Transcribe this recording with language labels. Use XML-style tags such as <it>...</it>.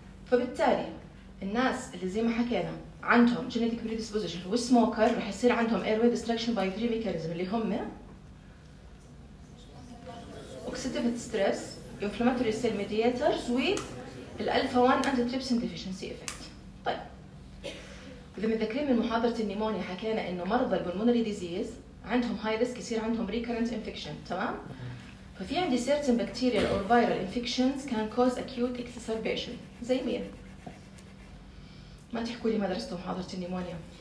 <ar>فبالتالي الناس اللي زي ما حكينا عندهم جينيتك بريديسبوزيشن هو سموكر راح يصير عندهم اير واي ديستركشن باي ثري ميكانيزم اللي هم اوكسيديف ستريس، انفلاماتوري سيل ميدياترز، والالفا 1 انتي تريبسن ديفيشنسي افكت. طيب اذا متذكرين من محاضره النيمونيا حكينا انه مرضى البلمونري ديزيز عندهم هاي ريسك يصير عندهم ريكيرنت انفكشن. تمام. ففي عندي</ar> <en>certain bacterial or viral infections can cause acute exacerbation.</en> <ar>زي مين؟ ما تحكوا لي ما درستوا محاضرة النيمونيا.</ar>